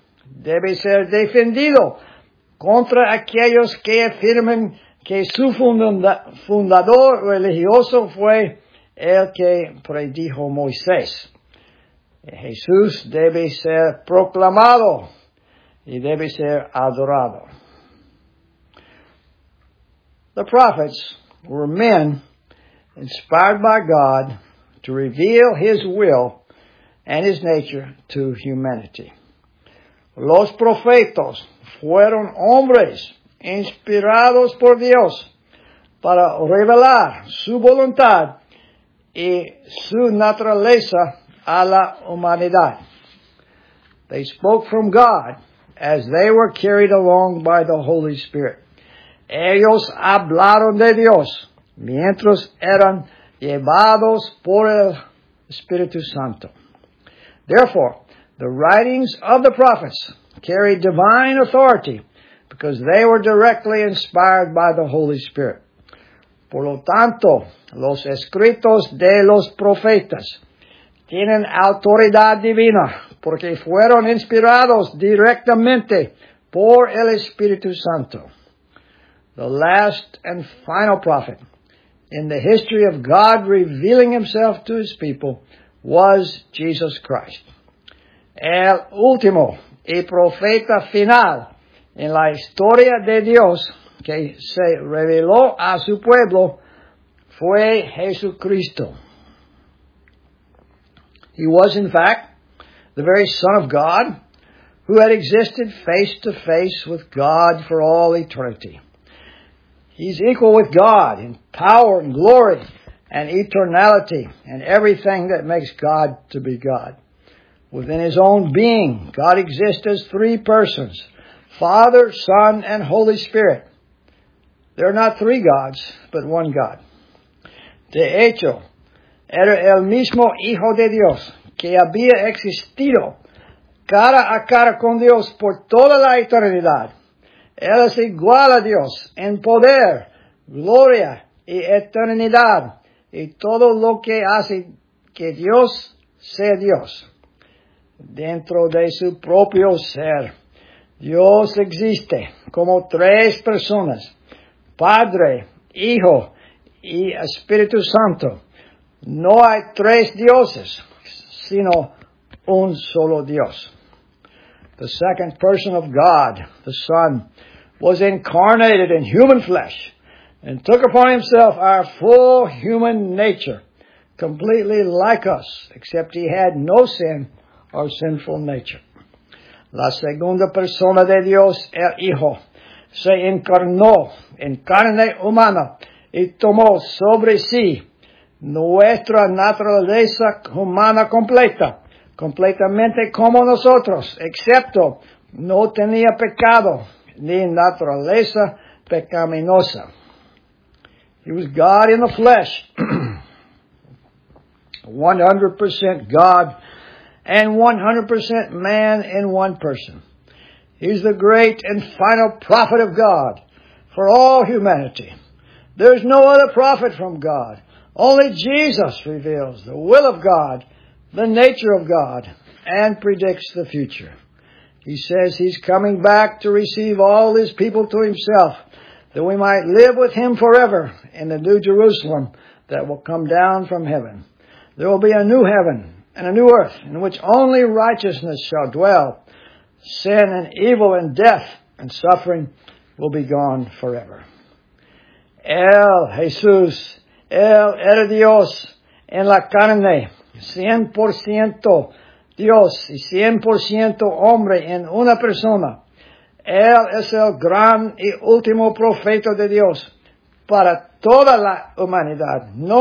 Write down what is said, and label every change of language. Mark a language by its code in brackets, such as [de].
[es] Debe ser defendido contra aquellos que afirman que su fundador religioso fue el que predijo Moisés. Jesús debe ser proclamado y debe ser adorado. [en] The prophets were men inspired by God to reveal His will and His nature to humanity. [es] Los profetas fueron hombres inspirados por Dios para revelar su voluntad y su naturaleza a la humanidad. [en] They spoke from God as they were carried along by the Holy Spirit. [es] Ellos hablaron de Dios mientras eran llevados por el Espíritu Santo. [en] Therefore, the writings of the prophets carry divine authority because they were directly inspired by the Holy Spirit. [es] Por lo tanto, los escritos de los profetas tienen autoridad divina porque fueron inspirados directamente por el Espíritu Santo. [en] The last and final prophet in the history of God revealing Himself to His people was Jesus Christ. [es] El último y profeta final en la historia de Dios que se reveló a su pueblo fue Jesucristo. [en] He was, in fact, the very Son of God who had existed face to face with God for all eternity. He's equal with God in power and glory and eternality and everything that makes God to be God. Within His own being, God exists as three persons, Father, Son, and Holy Spirit. There are not three gods, but one God. [es] De hecho, era el mismo Hijo de Dios que había existido cara a cara con Dios por toda la eternidad. Él es igual a Dios en poder, gloria y eternidad y todo lo que hace que Dios sea Dios. Dentro de su propio ser, Dios existe como tres personas, Padre, Hijo y Espíritu Santo. No hay tres dioses, sino un solo Dios. [en] The second person of God, the Son, was incarnated in human flesh and took upon himself our full human nature, completely like us, except he had no sin or sinful nature. [es] La segunda persona de Dios, el Hijo, se encarnó en carne humana y tomó sobre sí nuestra naturaleza humana completa, completamente como nosotros, excepto no tenía pecado ni naturaleza pecaminosa. [en] He was God in the flesh, 100% God and 100% man in one person. He's the great and final prophet of God for all humanity. There's no other prophet from God. Only Jesus reveals the will of God, the nature of God, and predicts the future. He says he's coming back to receive all his people to himself, that we might live with him forever in the new Jerusalem that will come down from heaven. There will be a new heaven and a new earth in which only righteousness shall dwell. Sin and evil and death and suffering will be gone forever. [es] El Jesús, el era Dios en la carne, 100% Dios y 100% hombre en una persona. Él es el gran y último profeta de Dios para toda la humanidad.